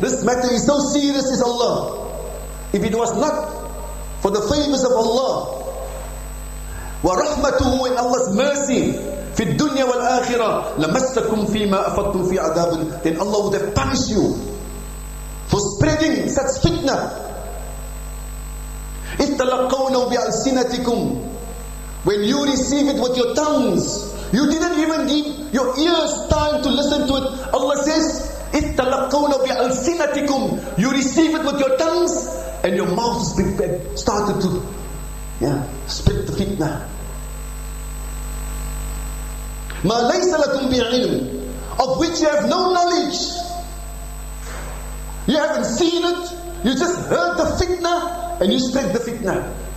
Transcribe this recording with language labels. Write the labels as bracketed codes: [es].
[en] This matter is so serious, is Allah. If it was not for the favors of Allah, [ar] وَرَحْمَتُهُ [en] in Allah's mercy, [ar] فِي الدُّنْيَا وَالْآخِرَةِ لَمَسَّكُمْ فِي مَا أَفَضْتُمْ فِي عَذَابٍ. [en] Then Allah would have punished you for spreading such fitna. [ar] إِذْ تَلَقَّوْنَهُ بِأَلْسِنَتِكُمْ. [en] When you receive it with your tongues, you didn't even need your ears time to listen to it. Allah says, [ar] إِذْ تَلَقَّوْنَهُ بِأَلْسِنَتِكُمْ. [en] You receive it with your tongues and your mouth started to spread the fitna. [ar] مَا لَيْسَ لَكُمْ بِعِلْمٍ. [en] Of which you have no knowledge. You haven't seen it. You just heard the fitna and you spread the fitna.